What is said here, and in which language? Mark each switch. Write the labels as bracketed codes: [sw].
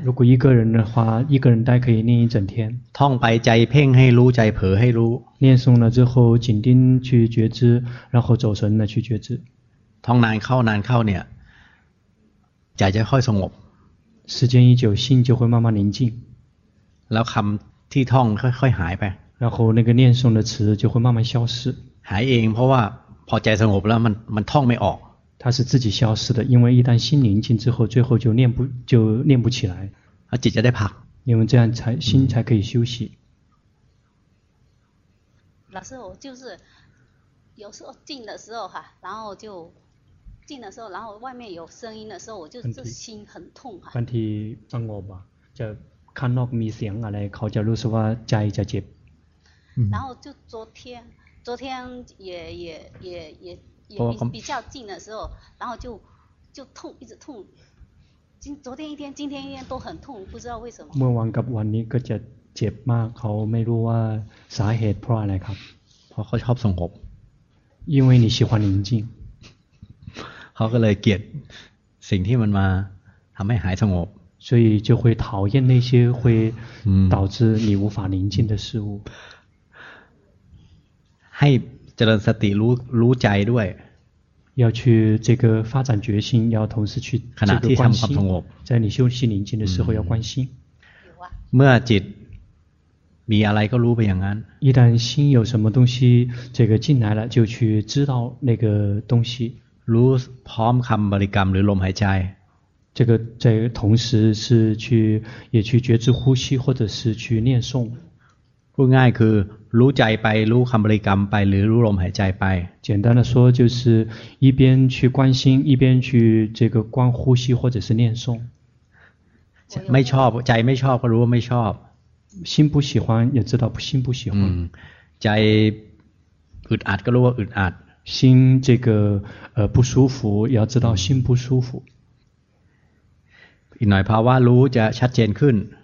[zh] 如果一个人的话，一个人待可以念一整天。 [th] ท่องไปใจเพ่งให้รู้ใจเผลอให้รู้。 [zh] 念诵了之后，紧盯去觉知，然后走神了去觉知。 [th] ท่องนานเข้าเนี่ยใจจะค่อยสงบ。 [zh] 时间一久，心就会慢慢宁静。 [th] แล้วคำที่ท่องค่อยๆหายไป。 [zh] 然后那个念诵的词就会慢慢消失。还因为 [th] เพราะว่าพอใจสงบแล้วมันท่องไม่ออก [zh] 它是自己消失的，因为一旦心宁静之后，最后就念不起来。 [th] 啊，จิตจะได้พัก， [zh] 因为这样才心才可以休息。老师，我就是有时候静的时候哈，然后就静的时候，然后外面有声音的时候，我就是心很痛哈。问题 [th] สงบ啊，就ข้างนอกมีเสียงอะไรเขาจะรู้สึกว่าใจจะเจ็บ。 [zh] 然后就昨天也比较近的时候，然后就痛，一直痛。昨天一天，今天一天都很痛，不知道为什么。 [th] เมื่อวันกับวันนี้ก็จะเจ็บมากเขาไม่รู้ว่าสาเหตุเพราะอะไรครับ เพราะเขาชอบสงบ [zh] 因为你喜欢宁静 [th] เขาก็เลยเกลียดสิ่งที่มันมาทำให้หายสงบ [zh] 所以就会讨厌那些会导致你无法宁静的事物 [th] ให้เจริญสติรู้ใจด้วย [zh] 要去这个发展决心要同时去 [th] ขณะที่ ทำความสงบ [zh] 在你休息宁静的时候要关心 [th] เมื่อจิตมีอะไรก็รู้ไปอย่างนั้น [zh] 一旦心有什么东西这个进来了就去知道那个东西 [th] รู้พร้อมคำบริกรรมหรือลมหายใจ [zh] 这个在同时是去也去觉知呼吸或者是去念诵 [th] พูดง่ายคือรู้ใจไปรู้คำบริกรรมไปหรือรู้ลมหายใจไป [zh] 简单的说就是一边去关心一边去这个观呼吸或者是念诵 [th] ไม่ชอบใจไม่ชอบก็รู้ว่าไม่ชอบ [zh] 心不喜欢也知道心不喜欢 [th] ใจอึดอัดก็รู้ว่าอึดอัด [zh] 心这个不舒服要知道心不舒服 [th] อีกหน่อยภาวะรู้จะชัดเจนขึ้น